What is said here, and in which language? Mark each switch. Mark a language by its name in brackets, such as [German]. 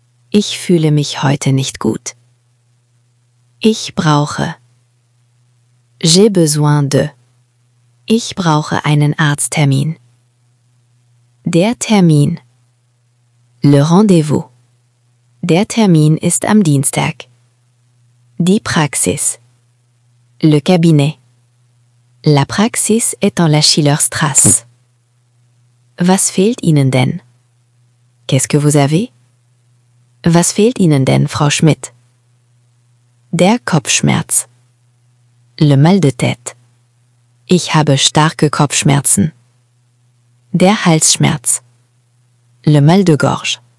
[German] Ich fühle mich heute nicht gut. Ich brauche. [French] J'ai besoin de. [German] Ich brauche einen Arzttermin. Der Termin. [French] Le rendez-vous. [German] Der Termin ist am Dienstag. Die Praxis. [French] Le cabinet. La Praxis est en la Schillerstrasse. [German] Was fehlt Ihnen denn? [French] Qu'est-ce que vous avez? [German] Was fehlt Ihnen denn, Frau Schmidt? Der Kopfschmerz. [French] Le mal de tête. [German] Ich habe starke Kopfschmerzen. Der Halsschmerz. [French] Le mal de gorge.